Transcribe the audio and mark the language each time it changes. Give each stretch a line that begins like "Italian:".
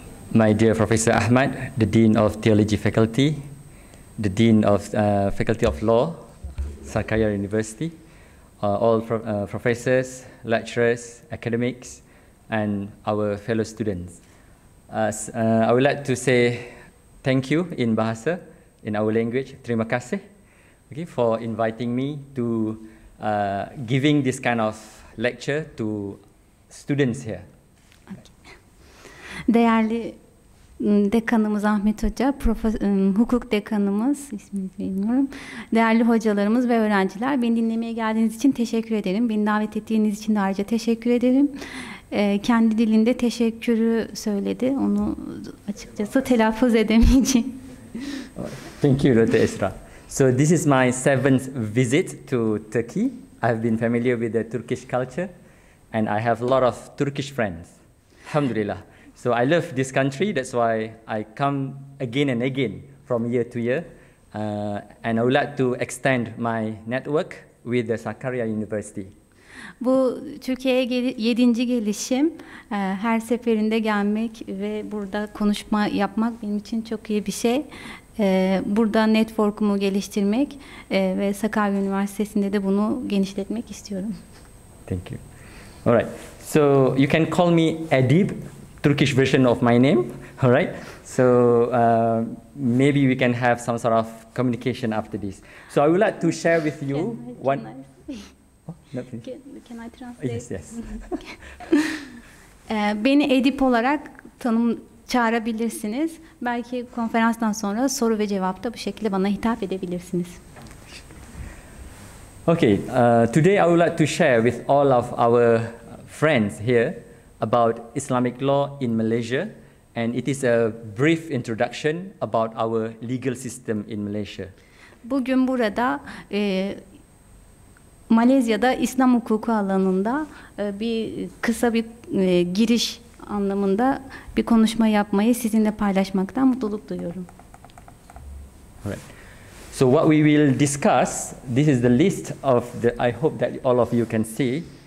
English: My dear Professor Ahmad, the Dean of Theology Faculty, the Dean of Faculty of Law, Sakarya University, all professors, lecturers, academics, and our fellow students. I would like to say thank you in Bahasa, in our language,
Malay: terima kasih,
English: okay, for inviting me to giving this kind of lecture to students here. Okay.
Turkish: Değerli dekanımız Ahmet Hoca, hukuk dekanımız, ismini bilmiyorum. Değerli hocalarımız ve öğrenciler, beni dinlemeye geldiğiniz için teşekkür ederim. Beni davet ettiğiniz için de ayrıca teşekkür ederim. Kendi dilinde teşekkürü söyledi. Onu açıkçası telaffuz edemeyeceğim.
English: Thank you, Rote Esra. So this is my 7th visit to Turkey. I've been familiar with the Turkish culture and I have a lot of Turkish friends. Alhamdulillah. So I love this country, that's why I come again and again from year to year. And I would like to extend my network with the Sakarya University.
Turkish: Bu Türkiye'ye 7. gelişim. Her seferinde gelmek ve burada konuşma yapmak benim için çok iyi bir şey. Burada network'umu geliştirmek ve Sakarya Üniversitesi'nde de bunu genişletmek istiyorum.
English: Thank you. All right. So you can call me Adip, Turkish version of my name. All right. So maybe we can have some sort of communication after this. So I would like to share with you can one. I, can I translate? Yes, yes.
Turkish: beni Adip olarak çağırabilirsiniz. Belki konferanstan sonra soru ve cevapta bu şekilde bana hitap edebilirsiniz.
English: Okay, today I would like to share with all of our friends here about Islamic law in Malaysia, and it is a brief introduction about our legal system in Malaysia.
Turkish: Bugün burada Malezya'da İslam hukuku alanında bir kısa bir giriş anlamında bir konuşma yapmayı sizinle paylaşmaktan mutluluk duyuyorum.
English: Alright. So what we will discuss, this is the list of the, I hope that all of you can see.